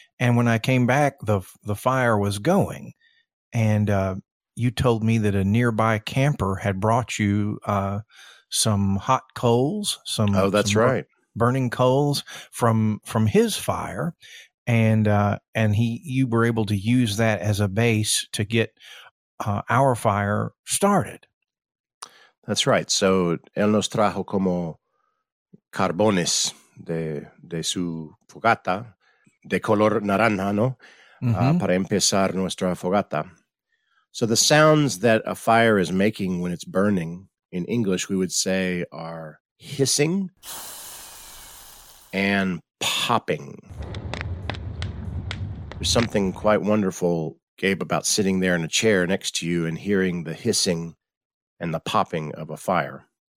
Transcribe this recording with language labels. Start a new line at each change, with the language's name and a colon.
English: And when I came back, the fire was going. And you told me that a nearby camper had brought you some hot coals, burning coals from his fire. And you were able to use that as a base to get our fire started. That's right.
Spanish: So él nos trajo como carbones de su fogata, de color naranja, ¿no? Mm-hmm. Para empezar nuestra fogata.
English: So the sounds that a fire is making when it's burning, in English, we would say are hissing and popping. There's something quite wonderful, Gabe, about sitting there in a chair next to you and hearing the hissing and the popping of a fire.